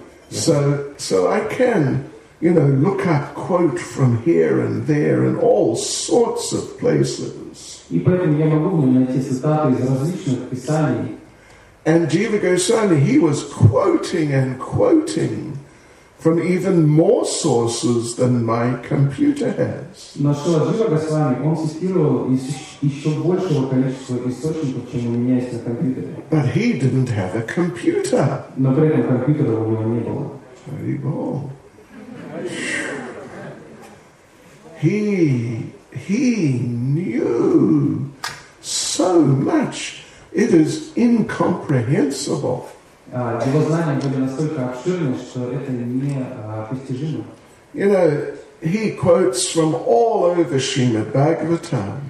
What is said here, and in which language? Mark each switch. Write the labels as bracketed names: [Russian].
[English] So I can, you know, look up quote from here and there and all sorts of places. [Russian] И поэтому я могу найти цитаты из различных писаний. [English] And Jiva Goswami, he was quoting and quoting from even more sources than my computer has. [Russian] Но что Jiva Goswami, он цитировал из еще большего количества источников, чем у меня есть на компьютере. [English] But he didn't have a computer. [Russian] Но при этом компьютера у него не было. [English] Very well. He knew so much. It is incomprehensible. [Russian] Его знания были настолько обширны, что это непостижимо. [English] You know, he quotes from all over Srimad Bhagavatam.